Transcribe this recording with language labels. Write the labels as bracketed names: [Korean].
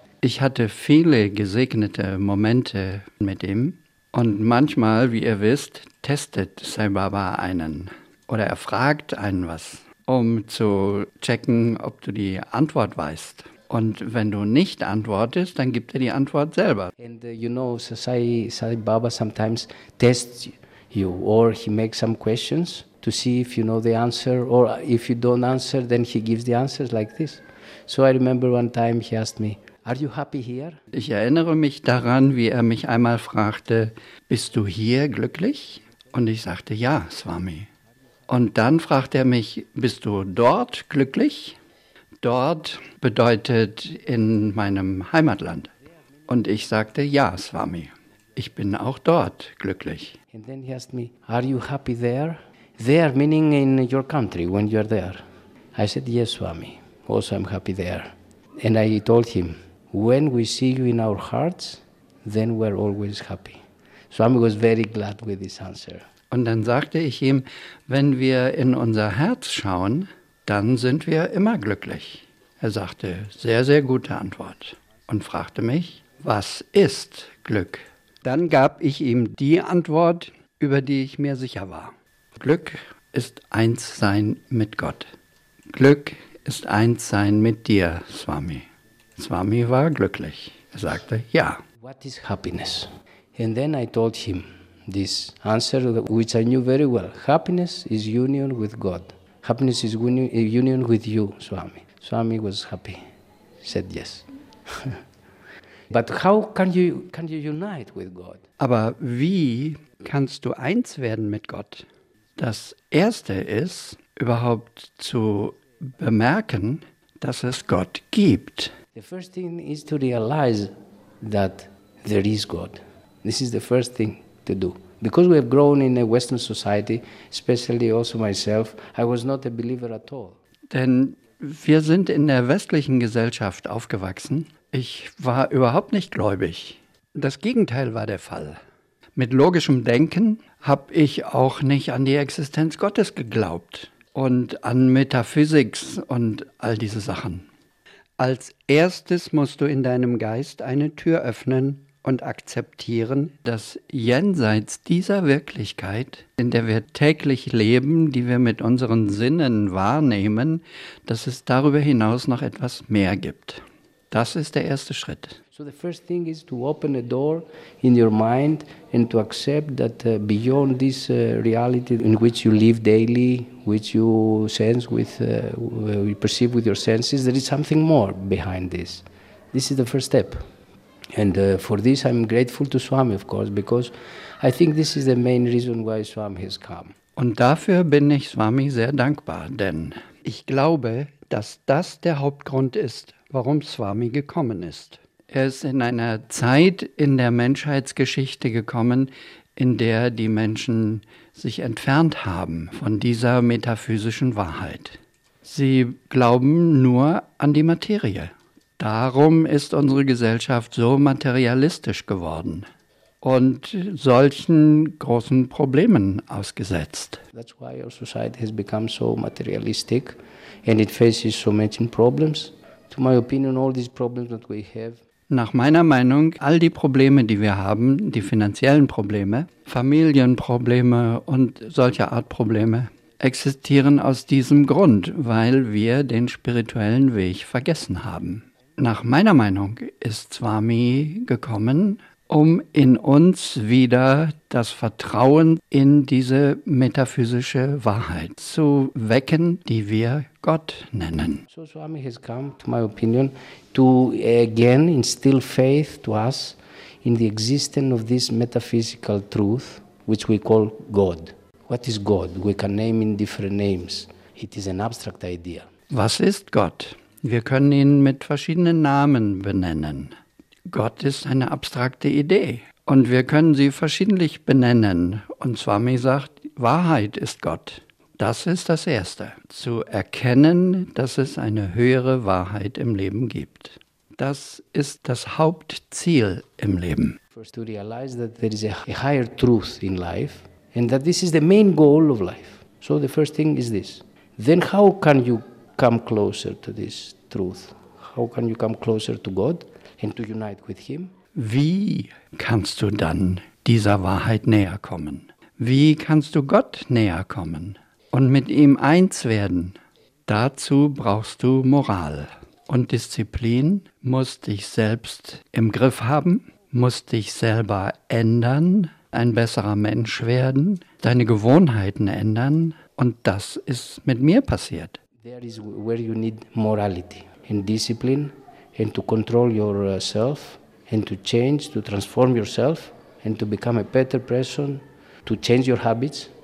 [German] Ich hatte viele gesegnete Momente mit ihm. Und manchmal, wie ihr wisst, testet Sai Baba einen. Oder er fragt einen was, um zu checken, ob du die Antwort weißt. Und wenn du nicht antwortest, dann gibt er die Antwort selber. [English] And you know, Sai Baba sometimes tests you, or he makes some questions to see if you know the answer, or if you don't answer, then he gives the answers like this. So I remember one time he asked me, are you happy here? [German] Ich erinnere mich daran, wie er mich einmal fragte, bist du hier glücklich? Und ich sagte, ja, Swami. Und dann fragte er mich, bist du dort glücklich? Dort bedeutet in meinem Heimatland. Und ich sagte, ja, Swami. Ich bin auch dort glücklich. [English] And then he asked me, are you happy there? There meaning in your country, when you are there. I said, yes, Swami. Also I'm happy there. And I told him, when we see you in our hearts, then we're always happy. Swami was very glad with his answer. [German] Und dann sagte ich ihm, wenn wir in unser Herz schauen, dann sind wir immer glücklich. Er sagte, sehr, sehr gute Antwort. Und fragte mich, was ist Glück? Dann gab ich ihm die Antwort, über die ich mir sicher war. Glück ist eins sein mit Gott. Glück ist eins sein mit dir, Swami. Swami war glücklich. Er sagte, ja. [English] What is happiness? And then I told him this answer, which I knew very well. Happiness is union with God. Happiness is union with you, Swami. Swami was happy. He said yes. But how can you unite with God? [German] Aber wie kannst du eins werden mit Gott? Das Erste ist, überhaupt zu bemerken, dass es Gott gibt. [English] The first thing is to realize that there is God. This is the first thing to do. Because we have grown in a Western society, especially also myself, I was not a believer at all. [German] Denn wir sind in der westlichen Gesellschaft aufgewachsen. Ich war überhaupt nicht gläubig. Das Gegenteil war der Fall. Mit logischem Denken habe ich auch nicht an die Existenz Gottes geglaubt und an Metaphysik und all diese Sachen. Als erstes musst du in deinem Geist eine Tür öffnen, und akzeptieren, dass jenseits dieser Wirklichkeit, in der wir täglich leben, die wir mit unseren Sinnen wahrnehmen, dass es darüber hinaus noch etwas mehr gibt. Das ist der erste Schritt. [English] So the first thing is to open a door in your mind and to accept that beyond this reality in which you live daily, which you sense with, you perceive with your senses, there is something more behind this. This is the first step. And for this I'm grateful to Swami, of course, because I think this is the main reason why Swami has come. [German] Und dafür bin ich Swami sehr dankbar, denn ich glaube, dass das der Hauptgrund ist, warum Swami gekommen ist. Er ist in einer Zeit in der Menschheitsgeschichte gekommen, in der die Menschen sich entfernt haben von dieser metaphysischen Wahrheit. Sie glauben nur an die Materie. Darum ist unsere Gesellschaft so materialistisch geworden und solchen großen Problemen ausgesetzt. [English] That's why our society has become so materialistic and it faces so many problems. To my opinion, all these problems that we have. [German] Nach meiner Meinung, all die Probleme, die wir haben, die finanziellen Probleme, Familienprobleme und solcher Art Probleme, existieren aus diesem Grund, weil wir den spirituellen Weg vergessen haben. Nach meiner Meinung ist Swami gekommen, um in uns wieder das Vertrauen in diese metaphysische Wahrheit zu wecken, die wir Gott nennen. [English] So Swami has come, to my opinion, to again instill faith to us in the existence of this metaphysical truth, which we call God. What is God? We can name in different names. It is an abstract idea. [German] Was ist Gott? Wir können ihn mit verschiedenen Namen benennen. Gott ist eine abstrakte Idee und wir können sie verschiedentlich benennen. Und Swami sagt, Wahrheit ist Gott. Das ist das Erste, zu erkennen, dass es eine höhere Wahrheit im Leben gibt. Das ist das Hauptziel im Leben. [English] First to realize that there is a higher truth in life and that this is the main goal of life. So the first thing is this. Then how can you come closer to this truth? How can you come closer to God? And to unite with him. [German] Wie kannst du dann dieser Wahrheit näher kommen? Wie kannst du Gott näher kommen und mit ihm eins werden? Dazu brauchst du Moral und Disziplin, musst dich selbst im Griff haben, musst dich selber ändern, ein besserer Mensch werden, deine Gewohnheiten ändern. Und das ist mit mir passiert. [English] There is where you need morality and discipline. And to control yourself, and to change, to transform yourself, and to become a better person, to change your habits.